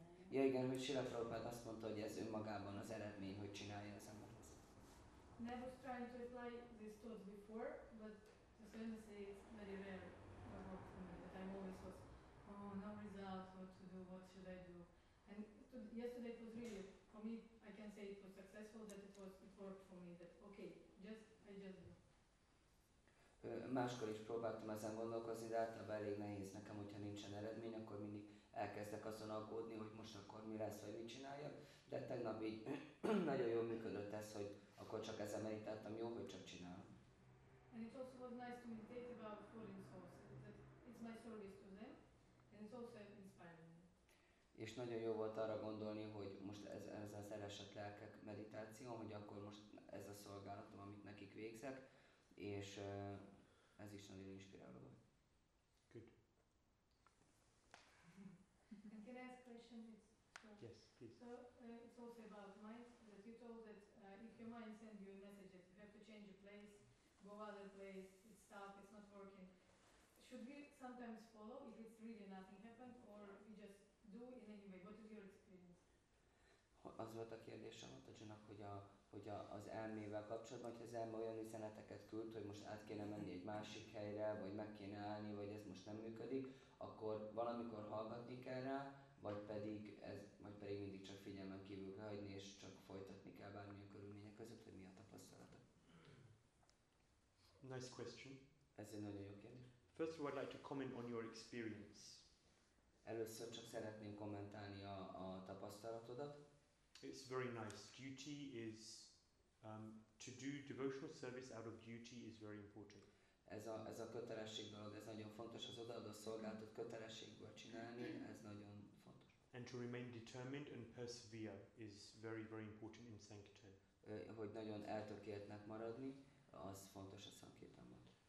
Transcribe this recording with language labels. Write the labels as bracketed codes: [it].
[hu] Ja, igen, hogy Srila Prabhupád azt mondta, hogy ez önmagában az eredmény, hogy csinálja az ember ezt. [en] Never trying to apply these thoughts before, but as soon as I say it's very rare about me, that I always was, oh, no result, what to do, what should I do? And yesterday it was really, for me, I can say it was successful, that it worked for me, that okay, I just do. [hu] Máskor is próbáltam ezen gondolkozni, de általában elég nehéz nekem, hogyha nincsen eredmény, akkor mindig elkezdek azon aggódni, hogy most akkor mi lesz, vagy mit csináljak. De tegnap így nagyon jól működött ez, hogy akkor csak ezzel meditáltam, jó, hogy csak csinálom. [en] And it also was nice to meditate about falling souls, that it's my service to them, and it's also inspiring. [hu] És nagyon jó volt arra gondolni, hogy most ez az elesett lelkek meditáció, hogy akkor most ez a szolgálatom, amit nekik végzek, és ez is nagyon inspiráló volt. [en] Can I ask a question? Yes, please. So it's also about mind, that you told that if your mind sends you a message that you have to change your place, go other place, it's tough, it's not working, should we sometimes follow if it's really nothing happened, or we just do in any way? What is your experience? [hu] Az volt a kérdésem, Atajanak, hogy az elmével kapcsolatban, hogy az elme olyan üzeneteket küld, hogy most át kéne menni egy másik helyre, vagy meg kéne állni, vagy ez most nem működik, akkor valamikor hallgatni kell rá, vagy pedig mindig csak figyelmen kívül kell hagyni, és csak folytatni kell bármilyen körülmények között, hogy mi a tapasztalata. [en] Nice question. [hu] Ez egy nagyon jó kérdés. [en] First of all, I'd like to comment on your experience. [hu] Először csak szeretném kommentálni a tapasztalatodat. [en] It's very nice. Duty is to do devotional service out of duty is very important. [hu] Ez a kötelesség dolog, ez nagyon fontos, az odaadó szolgálatot kötelességből csinálni, ez nagyon fontos. [en] And to remain determined and persevere is very very important in sankirtan. [hu] Hogy nagyon eltökéltnek maradni, az fontos a sankirtanban.